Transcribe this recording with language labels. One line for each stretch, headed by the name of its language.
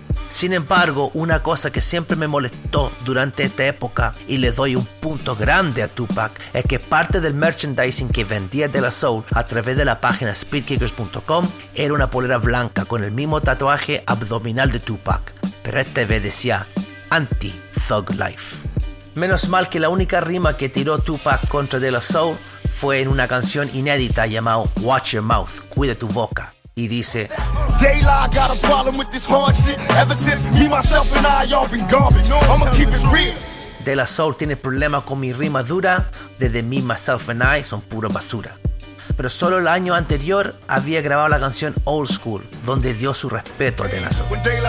Spanish: Sin embargo, una cosa que siempre me molestó durante esta época y le doy un punto grande a Tupac es que parte del merchandising que vendía De La Soul a través de la página speedkickers.com era una polera blanca con el mismo tatuaje abdominal de Tupac. pero esta vez decía Anti-Thug Life. Menos mal que la única rima que tiró Tupac contra De La Soul fue en una canción inédita llamada Watch Your Mouth, Cuide Tu Boca. Y dice:
English: Dayla, I got a problem with this hard shit. Ever since me, myself and I, y'all been garbage. I'ma keep it real.
Spanish: De La Soul tiene problemas con mi rima dura, desde Me, Myself and I son pura basura. Pero solo el año anterior había grabado la canción Old School, donde dio su respeto a De La Soul.